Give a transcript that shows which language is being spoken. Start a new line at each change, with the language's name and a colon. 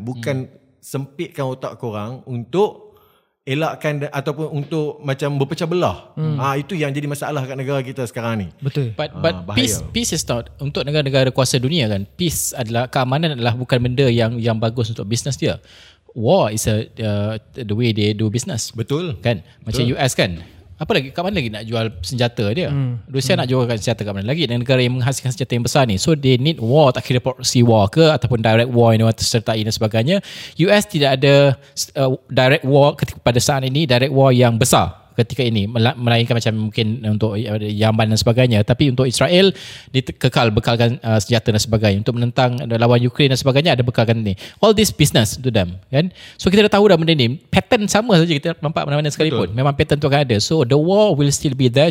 Malay: Bukan sempitkan otak korang untuk elakkan ataupun untuk macam berpecah belah. Itu yang jadi masalah kat negara kita sekarang ni. Betul. But peace is not untuk negara-negara kuasa dunia kan. Peace adalah, keamanan adalah bukan benda yang bagus untuk bisnes dia.
English: War is the way they do business.
Malay: Betul. Kan? Betul. Macam US kan. Apa lagi, kat mana lagi nak jual senjata dia? Rusia nak jualkan senjata kat mana lagi? Dan negara yang menghasilkan senjata yang besar ni. So they need war, tak kira proxy war ke ataupun direct war yang mereka sertai dan sebagainya. US tidak ada direct war ketika pada saat ini, direct war yang besar ketika ini. Melainkan macam mungkin untuk Yaman dan sebagainya. Tapi untuk Israel, dikekal bekalkan senjata dan sebagainya. Untuk menentang lawan Ukraine dan sebagainya, ada bekalkan ni.
English: All this business to them.
Malay: Kan? So kita dah tahu dah benda ni. Pattern sama saja kita nampak mana-mana sekalipun. Betul. Memang pattern tu akan ada.
English: So the war will still be there.